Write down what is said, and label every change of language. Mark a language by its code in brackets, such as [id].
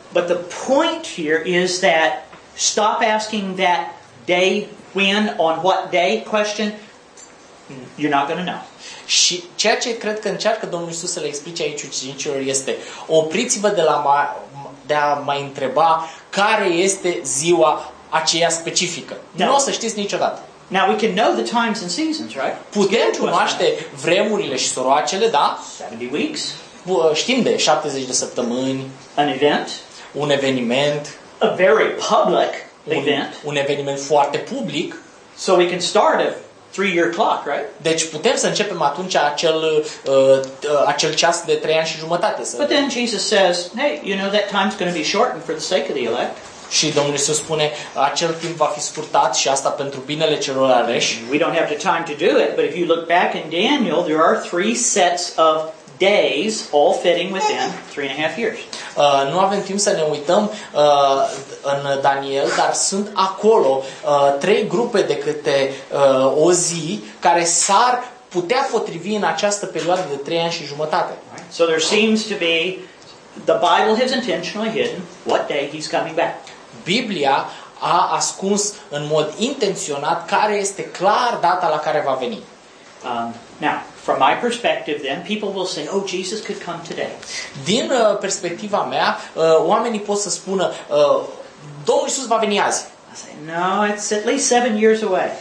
[en] But the point here is that stop asking that day, when, on what day question, you're not going to know. [ro] Și ceea ce cred că încearcă Domnul Iisus să le explice aici ucenicilor este, opriți-vă de a mai întreba care este ziua aceea specifică. No. Nu o să știți niciodată. [en] Now we can know the times and seasons, right? [ro] Putem cunoaște vremurile și soroacele, da? [en] 70 weeks. [ro] Știm de 70 de săptămâni. [en] An event. [ro] Un eveniment. [en] A very public event. [ro] Un eveniment foarte public. [en] So we can start a 3-year clock, right? [ro] Deci putem să începem atunci acel ceas de 3 ani și jumătate. [en] But then Jesus says, hey, you know that time's going to be shortened for the sake of the elect. [ro] Și Domnul Iisus spune, acel timp va fi scurtat și asta pentru binele celor aleși. [en] We don't have the time to do it, but if you look back in Daniel, there are 3 sets of days all fitting within 3.5 years. [ro] Nu avem timp să ne uităm în Daniel, dar sunt acolo 3 grupe de câte o zi care s-ar putea potrivi în această perioadă de 3 ani și jumătate. [en] Right. So there seems to be the Bible has intentionally hidden what day he's coming back. [ro] Biblia a ascuns în mod intenționat care este clar data la care va veni. [en] Now, from my perspective then, people will say, oh, Jesus could come today. [ro] Din perspectiva mea, oamenii pot să spună, Domnul Iisus va veni azi. [en] I say, no, it's at least 7 years away.